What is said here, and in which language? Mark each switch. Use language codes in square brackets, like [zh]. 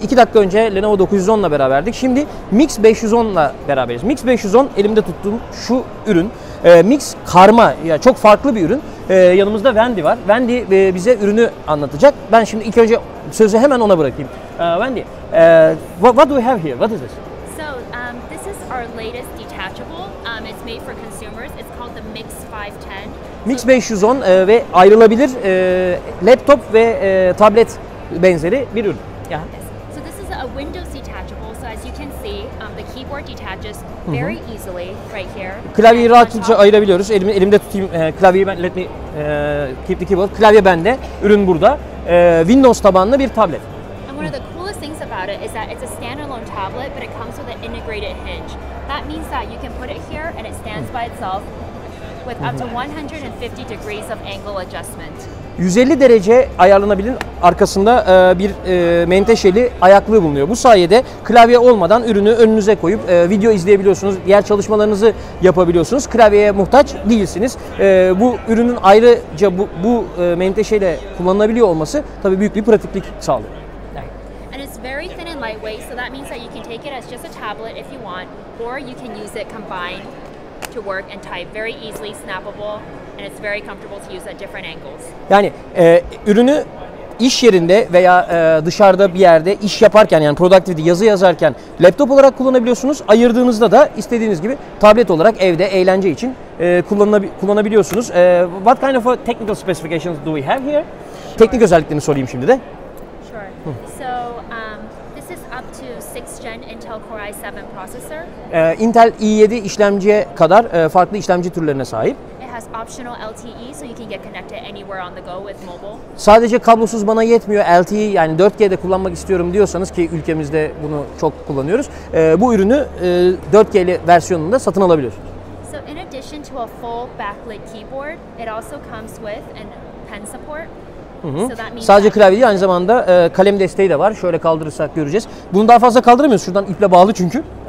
[tr] 2 dakika önce Lenovo 910 ile beraberdik. Şimdi Mix 510 ile beraberiz. Mix 510 elimde tuttuğum şu ürün. Mix Karma, yani çok farklı bir ürün. Yanımızda Wendy var. Wendy bize ürünü anlatacak. Ben şimdi ilk önce sözü hemen ona bırakayım. [en] Wendy, what do we have here? What is this? So, this is our latest detachable. It's made for consumers. It's called the Mix 510. [tr] Mix 510 ve ayrılabilir laptop ve tablet benzeri bir ürün. [en] Yeah. So this is a Windows detachable. So as you can see, the keyboard detaches very easily right here. [tr] Klavyeyi and rahatça ayırabiliyoruz. Elimde tutayım klavyeyi. [en] Let me keep the keyboard. [tr] Klavye bende. Ürün burada. Windows tabanlı bir tablet. [en] And one of the coolest things about it is that it's a standalone tablet, but it comes with an integrated hinge. That means that you can put it here and it stands by itself with up to 150 degrees of angle adjustment. [tr] 150 derece ayarlanabilen arkasında bir menteşeli ayaklığı bulunuyor. Bu sayede klavye olmadan ürünü önünüze koyup video izleyebiliyorsunuz, diğer çalışmalarınızı yapabiliyorsunuz. Klavyeye muhtaç değilsiniz. Bu ürünün ayrıca bu menteşeyle kullanılabiliyor olması tabii büyük bir pratiklik sağlıyor. [en] And it's very thin and lightweight, so that means that you can take it as just a tablet if you want, or you can use it combined to work and type very easily, snappable. And it's very comfortable to use at different angles. [tr] Yani ürünü iş yerinde veya dışarıda bir yerde iş yaparken, yani productivity, yazı yazarken laptop olarak kullanabiliyorsunuz. Ayırdığınızda da istediğiniz gibi tablet olarak evde eğlence için kullanabiliyorsunuz. [en] What kind of a technical specifications do we have here? Sure. [tr] Teknik özelliklerini sorayım şimdi de. [en] Sure. So this is up to 6th gen Intel Core i7 processor. [tr] Intel i7 işlemciye kadar farklı işlemci türlerine sahip. [en] Has optional LTE, so you can get connected anywhere on the go with mobile. [tr] Sadece kablosuz bana yetmiyor, LTE yani 4G'de kullanmak istiyorum diyorsanız, ki ülkemizde bunu çok kullanıyoruz. Bu ürünü 4G'li versiyonunda satın alabiliyorsunuz. [en] So in addition to a full backlit keyboard, it also comes with a pen support. [tr] Sadece klavye değil, aynı zamanda kalem desteği de var. Şöyle kaldırırsak göreceğiz. Bunu daha fazla kaldıramıyoruz. Şuradan iple bağlı çünkü.